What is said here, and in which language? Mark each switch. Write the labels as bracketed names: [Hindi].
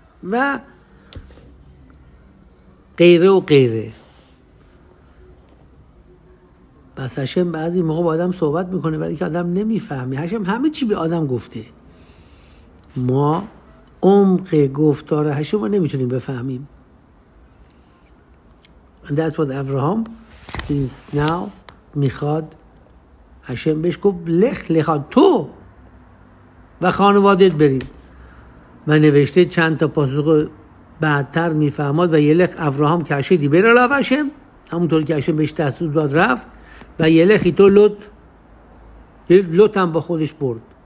[Persian] و غیره و غیره. بس هشم بعضی موقع با آدم صحبت میکنه ولی که آدم نمیفهمه. هشم همه چی به آدم گفته، ما عمق گفتار هشم رو نمیتونیم بفهمیم. [English] And that's what Abraham is now [Persian] میخواد. هشم بهش گفت [Hebrew] لخ لخا [Persian] تو و خانوادت برید. و نوشته چند تا پاسخ بعدتر میفهماد و یلخ ابراهام کشیدی بره لاوشم، همونطور که هشم بهش دستور داد رفت، و [Hebrew] یلخ ایتو لوت، [Persian] لوت هم با خودش برد.